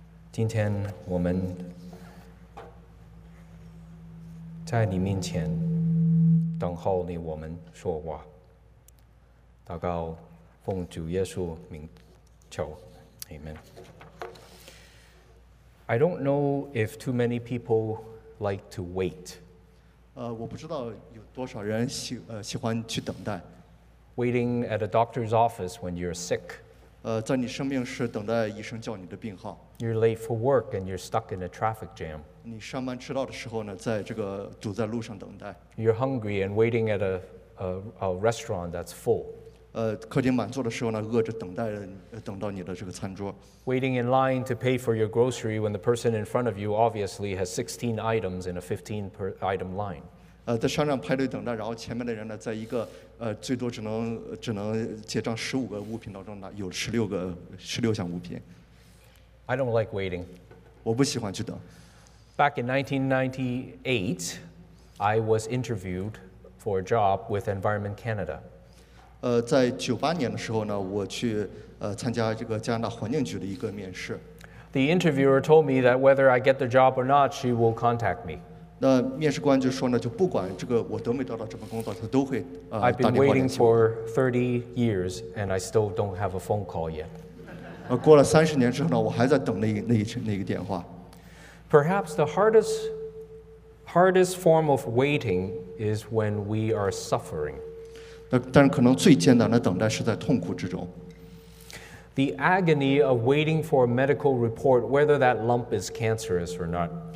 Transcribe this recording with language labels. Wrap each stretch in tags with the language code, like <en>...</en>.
<zh>今天我们在你面前等候你，我们说话祷告奉主耶稣名求， Amen.</zh> <en>I don't know if too many people like to wait.</en> <zh>我不知道有多少人喜欢去等待。</zh> <en>Waiting at a doctor's office when you're sick.</en> <zh>在你生病时等待医生叫你的病号。</zh> <en>You're late for work and you're stuck in a traffic jam.</en> <zh>你上班迟到的时候呢，在这个堵在路上等待。</zh> <en>You're hungry and waiting at a restaurant that's full.</en> <zh>客厅满座的时候呢，饿着等待等到你的这个餐桌。</zh> <en>Waiting in line to pay for your grocery when the person in front of you obviously has 16 items in a 15 per item line.</en> <zh>在商场排队等待，然后前面的人呢，在一个最多只能结账15个物品当中呢，有16项物品。</zh> <en>I don't like waiting.</en> <zh>我不喜欢去等。</zh> <en>Back in 1998, I was interviewed for a job with Environment Canada.</en> <zh>在98年的时候呢，我去参加这个加拿大环境局的一个面试。</zh> <en>The interviewer told me that whether I get the job or not, she will contact me.</en> <zh>那面试官就说呢，就不管这个我得没得到这份工作，他都会</zh> <en>I've been waiting for 30 years and I still don't have a phone call yet.</en> <zh>过了30年之后呢，我还在等那个电话。</zh> <en>Perhaps the hardest form of waiting is when we are suffering.</en> <zh>但可能最艰难的等待是在痛苦之中。</zh> <en>The agony of waiting for a medical report, whether that lump is cancerous or not.</en>